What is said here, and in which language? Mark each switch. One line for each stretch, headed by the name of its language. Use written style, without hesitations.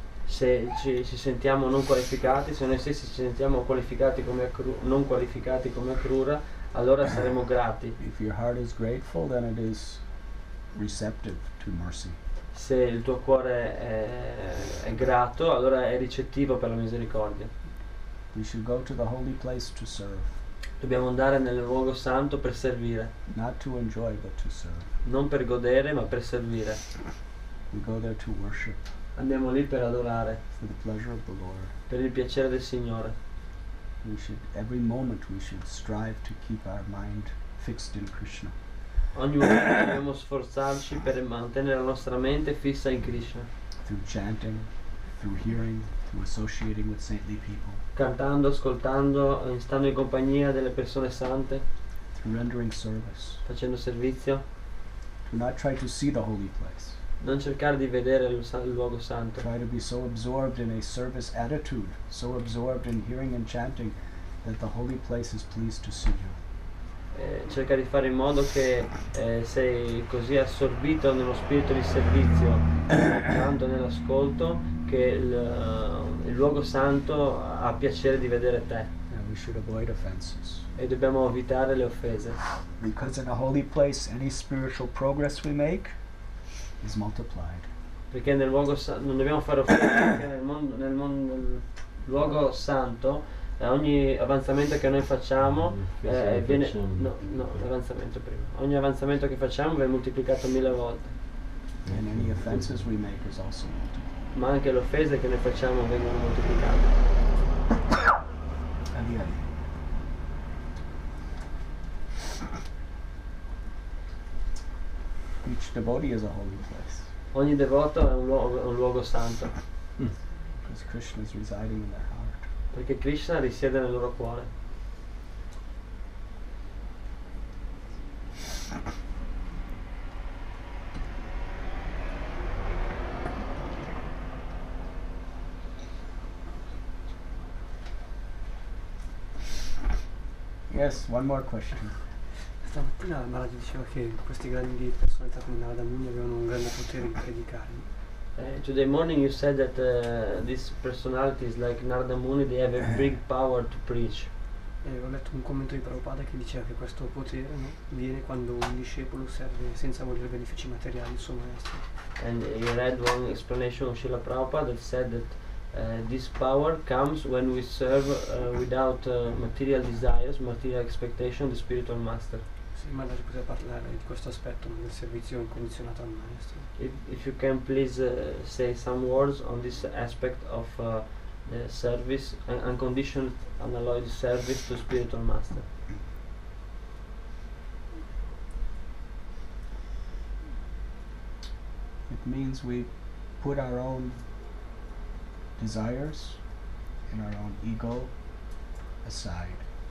Italian: Se ci sentiamo non qualificati, se noi stessi ci sentiamo qualificati come non qualificati come Krura, allora saremo grati.
English: If your heart is grateful, then it is receptive to mercy.
Italian: Se il tuo cuore è grato, allora è ricettivo per la misericordia.
English: We should go to the holy place to serve.
Italian: Dobbiamo andare nel luogo santo per servire.
English: Not to enjoy, but to serve.
Italian: Non per godere, ma per servire.
English: We go there to worship.
Italian: Andiamo lì per adorare.
English: For the pleasure of the Lord.
Italian: Per il piacere del Signore.
English: We should, every moment we should strive to keep our mind fixed in Krishna.
Italian: Ogni momento dobbiamo sforzarci per mantenere la nostra mente fissa in Krishna.
English: Through chanting, through hearing, through associating with saintly people.
Italian: Cantando, ascoltando, stando in compagnia delle persone sante.
English: Through rendering service.
Italian: Facendo servizio.
English: Do not try to see the holy place.
Italian: Non cercare di vedere il luogo santo.
English: Try to be so absorbed in a service attitude, so absorbed in hearing and chanting, that the holy place is pleased to see you.
Italian: Cerca di fare in modo che sei così assorbito nello spirito di servizio, tanto nell'ascolto, che il luogo santo ha piacere di vedere te.
English: We should avoid offenses.
Italian: E dobbiamo evitare le offese.
English: Because in a holy place any spiritual progress we make is multiplied.
Italian: Perché nel luogo santo non dobbiamo fare offese, perché nel luogo santo ogni avanzamento che noi facciamo ogni avanzamento che facciamo viene moltiplicato 1000 volte.
English: And any offenses we make is also multiplied.
Italian: Ma anche le offese che noi facciamo vengono moltiplicate.
English: Each devotee is a holy place.
Italian: Ogni devoto è un luogo santo.
English: Because Krishna is residing in their heart.
Italian: Perché Krishna risiede nel loro cuore.
English: Yes, one more question.
Italian: Stamattina Maharaj diceva che questi grandi personalità come Narada Muni avevano un grande potere in predicare.
English: Today morning you said that these personalities like Narada Muni, they have a big power to preach.
Italian: Ho letto un commento di Prabhupada che diceva che questo potere, no, viene quando un discepolo serve senza volere benefici materiali al suo maestro.
English: And you read one explanation of Srila Prabhupada that said that this power comes when we serve without material desires, material expectation, the spiritual master.
Italian: Sì, ma lei poteva parlare di questo aspetto del servizio incondizionato al maestro.
English: If you can please say some words on this aspect of the service, unconditioned unalloyed service to spiritual master. It means we put our own desires and our own ego aside.